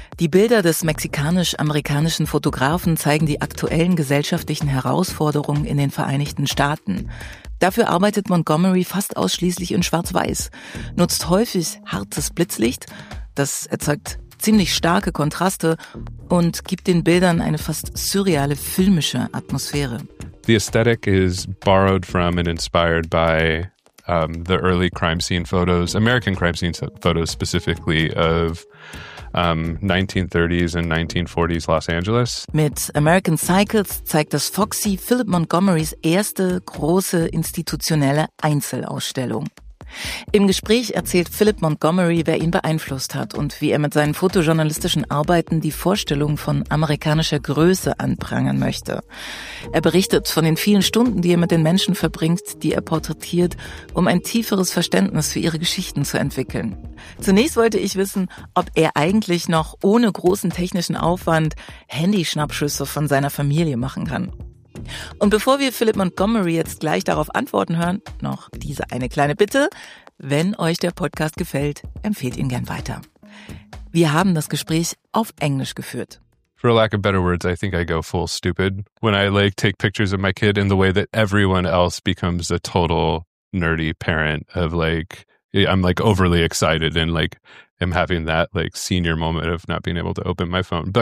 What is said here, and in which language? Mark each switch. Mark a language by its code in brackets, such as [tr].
[de] Die Bilder des mexikanisch-amerikanischen Fotografen zeigen die aktuellen gesellschaftlichen Herausforderungen in den Vereinigten Staaten. Dafür arbeitet Montgomery fast ausschließlich in Schwarz-Weiß, nutzt häufig hartes Blitzlicht, das erzeugt ziemlich starke Kontraste und gibt den Bildern eine fast surreale filmische Atmosphäre. [en] The aesthetic is borrowed from and inspired by the early crime scene photos, American crime scene photos specifically of 1930s and 1940s Los Angeles. [de] Mit American Cycles zeigt das Foxy Philip Montgomerys erste große institutionelle Einzelausstellung. Im Gespräch erzählt Philip Montgomery, wer ihn beeinflusst hat und wie er mit seinen fotojournalistischen Arbeiten die Vorstellung von amerikanischer Größe anprangern möchte. Er berichtet von den vielen Stunden, die er mit den Menschen verbringt, die er porträtiert, um ein tieferes Verständnis für ihre Geschichten zu entwickeln. Zunächst wollte ich wissen, ob er eigentlich noch ohne großen technischen Aufwand Handyschnappschüsse von seiner Familie machen kann. Und bevor wir Philip Montgomery jetzt gleich darauf antworten hören, noch diese eine kleine Bitte. Wenn euch der Podcast gefällt, empfehlt ihn gern weiter. Wir haben das Gespräch auf Englisch geführt. [en] For lack of better words, I think I go full stupid when I like take pictures of my kid in the way that everyone else becomes a total nerdy parent of like, I'm like overly excited and like am having that like senior moment of not being able to open my phone.